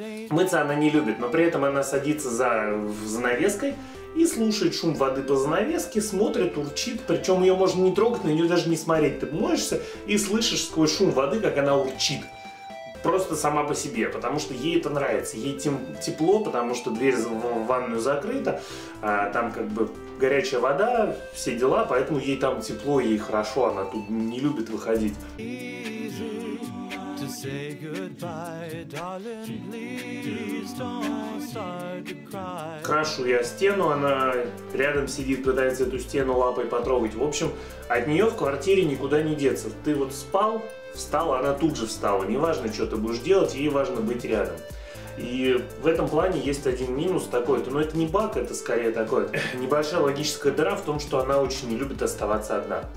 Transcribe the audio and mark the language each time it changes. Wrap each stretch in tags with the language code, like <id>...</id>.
<ru>Мыться она не любит, но при этом она садится за занавеской и слушает шум воды по занавеске, смотрит, урчит, причем ее можно не трогать, на нее даже не смотреть. Ты моешься и слышишь сквозь шум воды, как она урчит. Просто сама по себе, потому что ей это нравится. Ей тепло, потому что дверь в ванную закрыта, а там как бы горячая вода, все дела, поэтому ей там тепло, ей хорошо, она тут не любит выходить.</ru> <en>easy to say goodbye, darling, please don't start to cry.</en> <ru>Крашу я стену, она рядом сидит, пытается эту стену лапой потрогать. В общем, от нее в квартире никуда не деться. Ты вот спал, встал, она тут же встала. Неважно, что ты будешь делать, ей важно быть рядом. И в этом плане есть один минус такой-то, но это не баг, это скорее такое небольшая логическая дыра в том, что она очень не любит оставаться одна.</ru>